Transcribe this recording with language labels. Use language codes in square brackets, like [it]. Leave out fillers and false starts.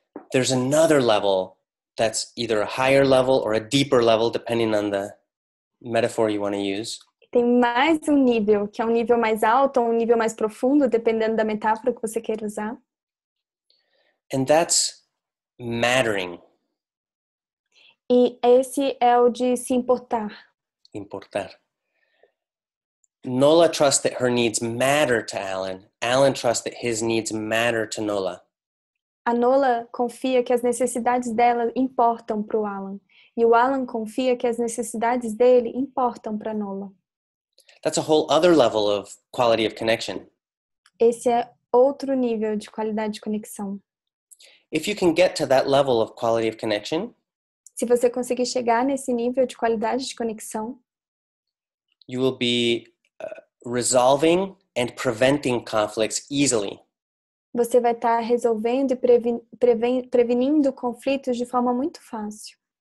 [en] There's another level that's either a higher level or a deeper level, depending on the metaphor you want to use. [pt] Tem mais um nível, que é um nível mais alto ou um nível mais profundo, dependendo da metáfora que você queira usar. [en] And that's mattering. [pt] E esse é o de se importar. Importar. [en] Nola trusts that her needs matter to Alan. Alan trusts that his needs matter to Nola. [pt] A Nola confia que as necessidades dela importam para o Alan. E o Alan confia que as necessidades dele importam para a Nola. [en] That's a whole other level of quality of connection. [pt] Esse é outro nível de qualidade de conexão. [en] If you can get to that level of quality of connection, [pt] se você conseguir chegar nesse nível de qualidade de conexão, [en] you will be resolving and preventing conflicts easily. [pt] Você vai estar resolvendo e prevenindo conflitos de forma muito fácil.